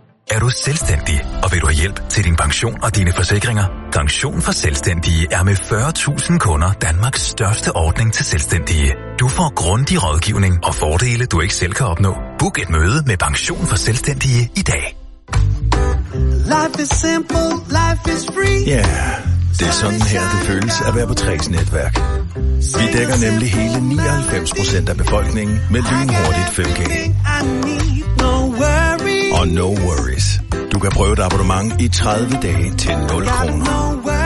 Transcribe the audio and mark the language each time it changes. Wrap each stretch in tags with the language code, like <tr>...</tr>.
<da>Er du selvstændig, og vil du have hjælp til din pension og dine forsikringer? Pension for Selvstændige er med 40.000 kunder Danmarks største ordning til selvstændige. Du får grundig rådgivning og fordele, du ikke selv kan opnå. Book et møde med Pension for Selvstændige i dag.</da> <en>Life is simple, life is free.</en> <da>Ja, yeah, det er sådan her, det føles at være på Træs netværk. Vi dækker nemlig hele 99% af befolkningen med lynhurtigt 5G. Og no worries. Du kan prøve et abonnement i 30 dage til 0 kroner.</da>